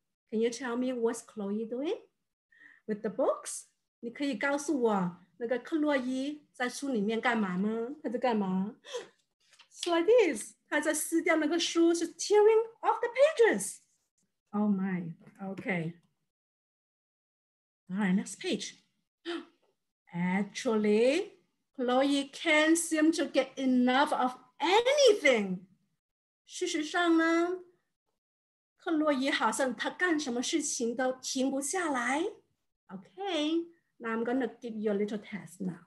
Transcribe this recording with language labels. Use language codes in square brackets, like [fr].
[en] Can you tell me what's Chloe doing with the books? [zh] 你可以告诉我那个克洛伊在书里面干嘛吗？她在干嘛？ [en] It's like this. [zh] 她在撕掉那个书， [en] she's tearing off the pages. Oh my, okay. All right, next page. Actually, Chloe can't seem to get enough of anything. [zh] 事实上呢，克洛伊好像她干什么事情都停不下来。 [en] Okay, now I'm gonna give you a little test now.